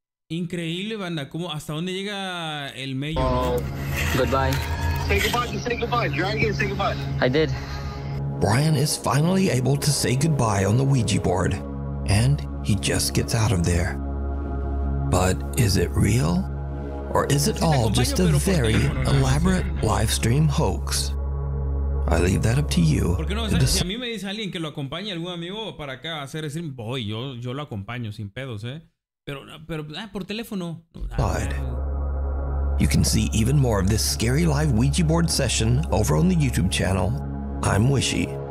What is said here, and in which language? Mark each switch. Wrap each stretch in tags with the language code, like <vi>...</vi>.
<es>Increíble, banda, como hasta dónde llega el medio. Oh, ¿no?</es> <en>Goodbye. Say goodbye. Dragon, say goodbye. I did. Brian is finally able to say goodbye on the Ouija board, and he just gets out of there. But is it real? Or is it all just a very elaborate live stream hoax? I leave that up to you.</en> <es>¿Por qué no? O sea, si a mí me dice alguien que lo acompañe, algún amigo para acá a hacer stream, voy, yo lo acompaño sin pedos, ¿eh?</es> <en>You can see even more of this scary live Ouija board session over on the YouTube channel, I'm Wishy.</en>